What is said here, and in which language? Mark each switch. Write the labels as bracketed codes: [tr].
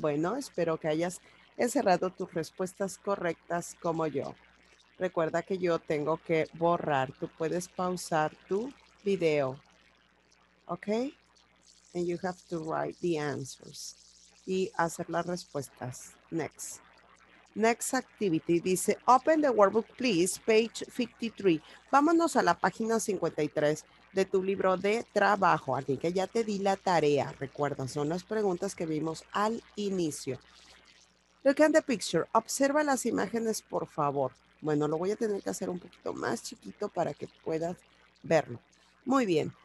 [es] Bueno, espero que hayas encerrado tus respuestas correctas como yo. Recuerda que yo tengo que borrar. Tú puedes pausar tu video. ¿Ok? [en] And you have to write the answers. [es] Y hacer las respuestas. [en] Next. Next activity dice, open the workbook, please, page 53. [es] Vámonos a la página 53 de tu libro de trabajo. Así que ya te di la tarea. Recuerda, son las preguntas que vimos al inicio. [en] Look at the picture. [es] Observa las imágenes, por favor. Bueno, lo voy a tener que hacer un poquito más chiquito para que puedas verlo. Muy bien.